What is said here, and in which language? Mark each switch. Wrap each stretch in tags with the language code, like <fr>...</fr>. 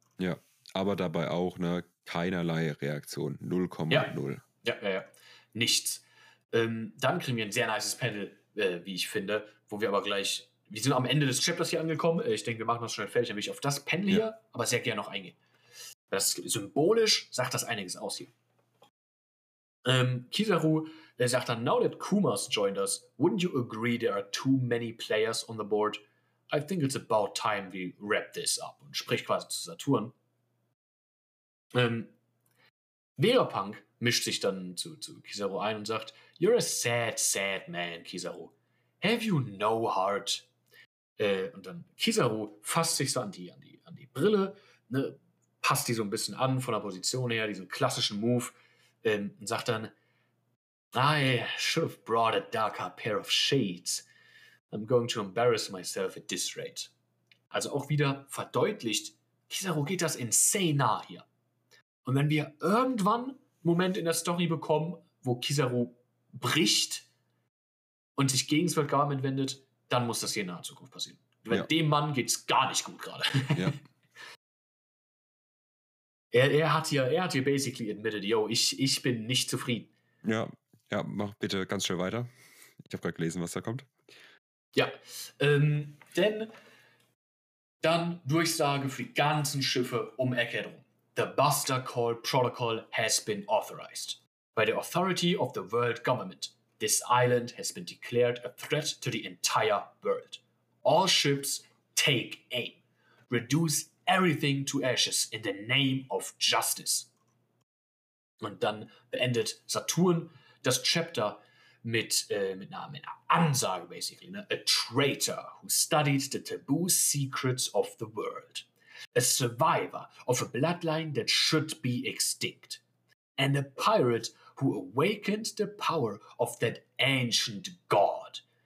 <de>Ja, aber dabei auch, ne, keinerlei Reaktion. 0,0. Ja. Nichts. Dann kriegen wir ein sehr nices Panel, wie ich finde, wo wir aber gleich... Wir sind am Ende des Chapters hier angekommen. Ich denke, wir machen das schnell fertig. Dann will ich auf das Panel hier aber sehr gerne noch eingehen. Das symbolisch sagt das einiges aus hier. Kizaru sagt dann,</de> <en>now that Kuma's joined us, wouldn't you agree there are too many players on the board? I think it's about time we wrap this up.</en> <de>Und spricht quasi zu Saturn. Vegapunk mischt sich dann zu Kizaru ein und sagt,</de> <en>you're a sad, sad man, Kizaru. Have you no heart?</en> <de>Und dann Kizaru fasst sich so an die Brille, ne, passt die so ein bisschen an von der Position her, diesen klassischen Move, und sagt dann,</de> <en>I should have brought a darker pair of shades. I'm going to embarrass myself at this rate.</en> <de>Also auch wieder verdeutlicht, Kizaru geht das insane nah hier. Und wenn wir irgendwann einen Moment in der Story bekommen, wo Kizaru bricht und sich gegen das World Government wendet, dann muss das hier in naher Zukunft passieren. Ja. Weil dem Mann geht's gar nicht gut gerade. Ja. Er hat hier</de> <en>basically admitted,</en> <de>yo, ich bin nicht zufrieden. Ja, ja, mach bitte ganz schnell weiter. Ich habe gerade gelesen, was da kommt. Ja, denn dann Durchsage für die ganzen Schiffe um Eckert rum.</de> <en>The Buster Call Protocol has been authorized. By the authority of the world government, this island has been declared a threat to the entire world. All ships take aim. Reduce everything to ashes in the name of justice.</en> <de>Und dann beendet Saturn das Chapter mit einer Ansage, basically. Ne?</de> <en>A traitor who studied the taboo secrets of the world. A survivor of a bloodline that should be extinct. And a pirate who awakened the power of that ancient god.</en>